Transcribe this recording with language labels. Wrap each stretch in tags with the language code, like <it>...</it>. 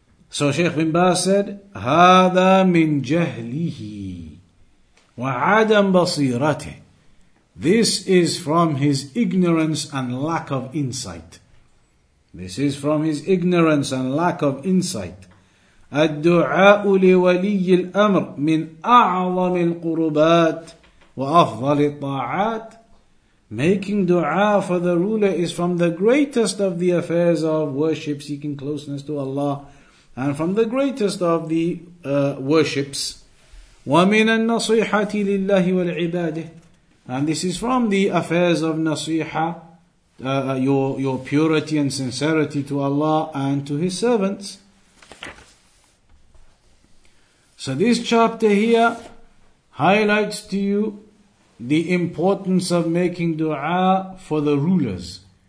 <en>So Sheikh bin Baz said,</en> <ar>هَذَا مِنْ جَهْلِهِ وَعَدَمْ بَصِيرَتِهِ.</ar> <en>This is from his ignorance and lack of insight. This is from his ignorance and lack of insight.</en> <ar>الدعاء لولي الأمر من أعظم القربات وأفضل الطاعات.</ar> <en>Making dua for the ruler is from the greatest of the affairs of worship, seeking closeness to Allah, and from the greatest of the worships.</en> <ar>ومن النصيحة لله والعبادة.</ar> <en>And this is from the affairs of nasiha, your purity and sincerity to Allah and to His servants. So this chapter here highlights to you the importance of making dua for the rulers.</en>